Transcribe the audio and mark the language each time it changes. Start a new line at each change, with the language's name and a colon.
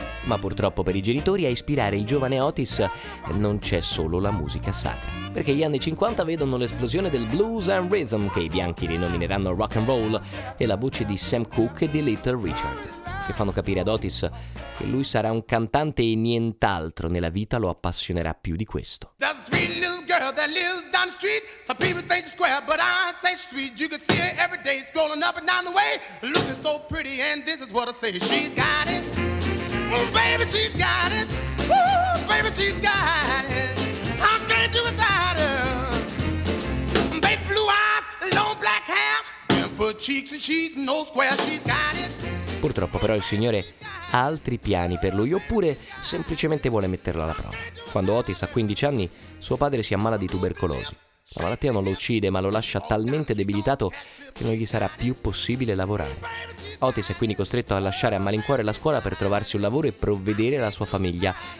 Italian: Ma purtroppo per i genitori, a ispirare il giovane Otis non c'è solo la musica sacra, perché gli anni 50 vedono l'esplosione del blues and rhythm, che i bianchi rinomineranno rock and roll, e la voce di Sam Cooke e di Little Richard, che fanno capire ad Otis che lui sarà un cantante e nient'altro nella vita lo appassionerà più di questo.
English: There's a sweet little girl that lives down the street. Some people think she's square, but I say she's sweet. You can see her every day scrolling up and down the way, looking so pretty, and this is what I say. She's got it. Oh, baby, she's got it. Oh, baby, she's got it. I can't do without her. Baby, blue eyes, long black hair, dimpled cheeks, and she's no square. She's got it.
Italian: Purtroppo però il signore ha altri piani per lui, oppure semplicemente vuole metterlo alla prova. Quando Otis ha 15 anni, suo padre si ammala di tubercolosi. La malattia non lo uccide, ma lo lascia talmente debilitato che non gli sarà più possibile lavorare. Otis è quindi costretto a lasciare a malincuore la scuola per trovarsi un lavoro e provvedere alla sua famiglia.